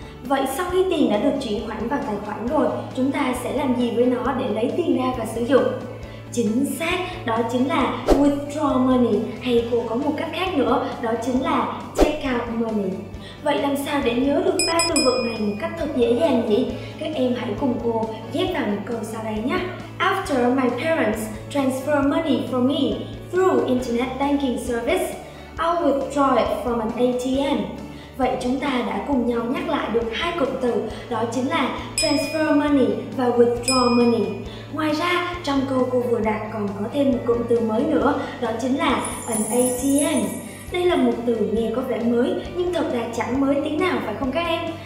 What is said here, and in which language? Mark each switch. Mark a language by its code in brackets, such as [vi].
[vi] Vậy sau khi tiền đã được chuyển khoản vào tài khoản rồi, chúng ta sẽ làm gì với nó để lấy tiền ra và sử dụng? Chính xác, đó chính là [en] withdraw money, [vi] hay cô có một cách khác nữa, đó chính là [en] check out money. [vi] Vậy làm sao để nhớ được ba từ vựng này một cách thật dễ dàng nhỉ? Các em hãy cùng cô ghép vào một câu sau đây nhé. [en] After my parents transfer money for me through internet banking service, I'll withdraw it from an ATM. [vi] Vậy chúng ta đã cùng nhau nhắc lại được hai cụm từ, đó chính là [en] transfer money [vi] và [en] withdraw money. [vi] Ngoài ra, trong câu cô vừa đặt còn có thêm một cụm từ mới nữa, đó chính là an ATM. Đây là một từ nghe có vẻ mới, nhưng thật ra chẳng mới tí nào phải không các em?